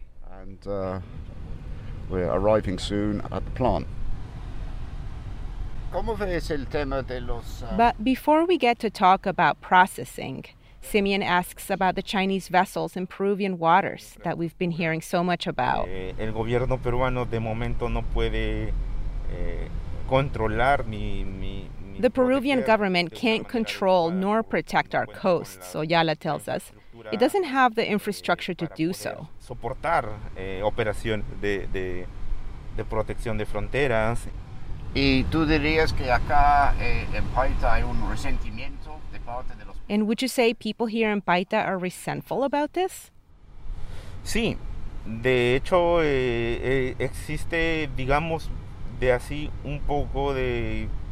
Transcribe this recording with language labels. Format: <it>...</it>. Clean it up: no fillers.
<en>And we're arriving soon at the plant. But before we get to talk about processing, Simeon asks about the Chinese vessels in Peruvian waters that we've been hearing so much about.</en> <es>El gobierno peruano de momento no puede controlar mi.</es> <en>The Peruvian government can't control nor protect our coasts, Oyala tells us. It doesn't have the infrastructure to do so.</en> <es>Soportar operaciones de protección de fronteras. Y tú dirías que acá en Paita hay un resentimiento de parte de los.</es> <en>And would you say people here in Paita are resentful about this?</en> <es>Sí, de hecho existe, digamos, de así un poco de.</es>